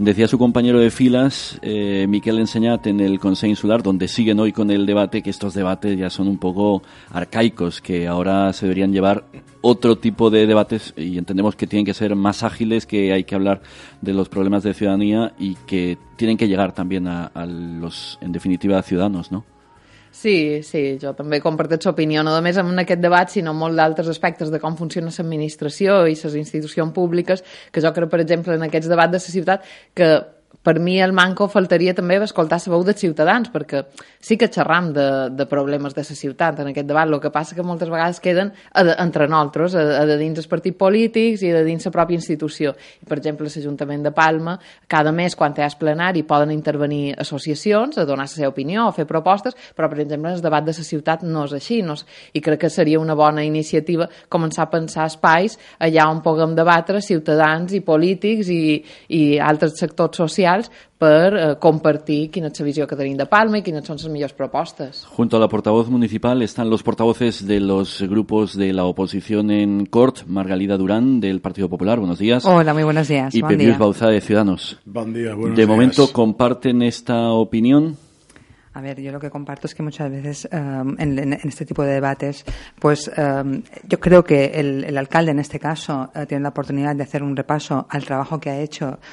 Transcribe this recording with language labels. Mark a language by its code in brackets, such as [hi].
[es] Decía su compañero de filas, Miquel Enseñat, en el Consejo Insular, donde siguen hoy con el debate, que estos debates ya son un poco arcaicos, que ahora se deberían llevar otro tipo de debates, y entendemos que tienen que ser más ágiles, que hay que hablar de los problemas de ciudadanía y que tienen que llegar también a los, en definitiva, a ciudadanos, ¿no? [ca] Sí, sí, jo també comparteixo opinió, no només en aquest debat, sinó molt d'altres aspectes de com funciona l'administració i les institucions públiques, que jo crec, per exemple, en aquests debats de la ciutat, que per mi el manco faltaria també escoltar la veu dels ciutadans, perquè sí que xerram de problemes de la ciutat en aquest debat, el que passa que moltes vegades queden entre nosaltres, a de dins els partits polítics i a de dins la pròpia institució. I, per exemple, l'Ajuntament de Palma, cada mes, quan hi ha plenari, poden intervenir associacions a donar la seva opinió o fer propostes, però, per exemple, el debat de la ciutat no és així. No és, i crec que seria una bona iniciativa començar a pensar espais allà on puguem debatre ciutadans i polítics i altres sectors socials per compartir quina és la visió que tenim de Palma i quines són les millors propostes. [es] Junto a la portavoz municipal están los portavoces de los grupos de la oposición en Cort, Margalida Durán, del Partido Popular. Buenos días. Hola, muy buenos días. Y Pepius Bauzá, de Ciudadanos. Buen día, buenos de días. ¿De momento comparten esta opinión? A ver, yo lo que comparto es que muchas veces en este tipo de debates, pues yo creo que el alcalde en este caso tiene la oportunidad de hacer un repaso al trabajo que ha hecho.